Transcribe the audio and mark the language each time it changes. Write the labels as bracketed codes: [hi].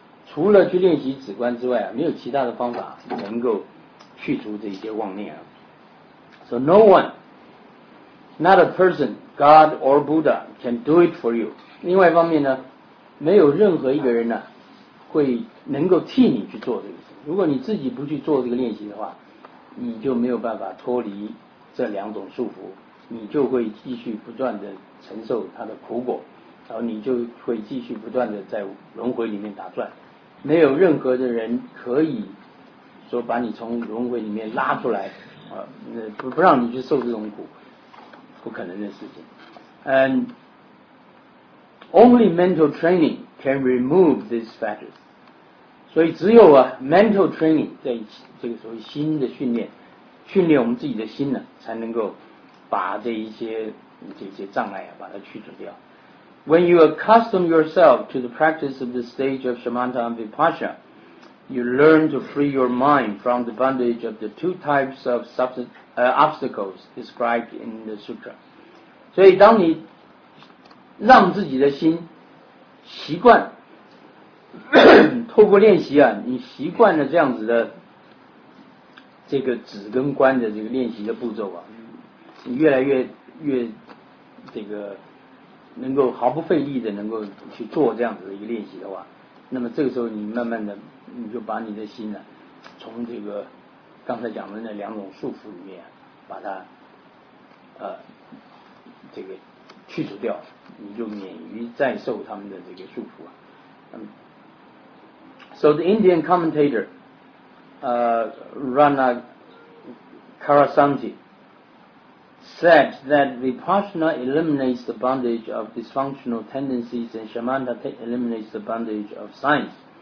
[zh] 除了去练习止观之外，没有其他的方法能够去除这些妄念。 [en] So no one, not a person, God or Buddha, can do it for you. [zh] 另外一方面呢，没有任何一个人呢，会能够替你去做这个事。如果你自己不去做这个练习的话，你就没有办法脱离这两种束缚，你就会继续不断的承受它的苦果，然后你就会继续不断的在轮回里面打转。没有任何的人可以说把你从轮回里面拉出来不让你去受这种苦，不可能的事情。 [en] And only mental training can remove these factors. [zh] 所以只有 [en] mental training [zh] 在这个所谓心的训练我们自己的心呢，才能够把这些障碍把它去除掉。 [en] When you accustom yourself to the practice of the stage of Shamatha and Vipassana, you learn to free your mind from the bondage of the two types of obstacles described in the sutra. [zh] 所以当你让自己的心习惯透过练习你习惯了这样子的这个止跟观的这个练习的步骤你越来越这个能够毫不费力的能够去做这样子的一个练习的话，那么这个时候你慢慢的你就把你的心呢，从这个刚才讲的那两种束缚里面把它这个去除掉，你就免于再受他们的这个束缚。 [en] So the Indian commentator Rana Karasanti said that Vipassana eliminates the bondage of dysfunctional tendencies and Shamatha eliminates the bondage of signs.